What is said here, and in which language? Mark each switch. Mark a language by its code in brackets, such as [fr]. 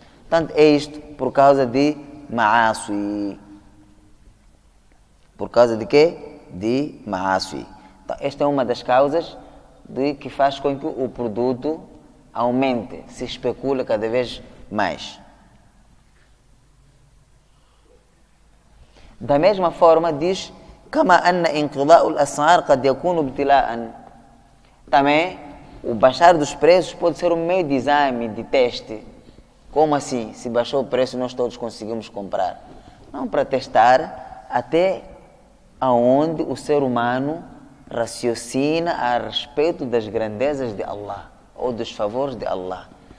[pt] Portanto, é isto por causa de maasui. Por causa de quê? De maasui. Então, esta é uma das causas de que faz com que o produto aumente, se especule cada vez mais. Da mesma forma, diz [ar] كما أن انقضاء الأسعار قد يكون ابتلاء. [pt] Também o baixar dos preços pode ser um meio de exame, de teste. Como assim? Se baixou o preço, nós todos conseguimos comprar. Não, para testar até aonde o ser humano raciocina a respeito das grandezas de Allah ou dos favores de Allah.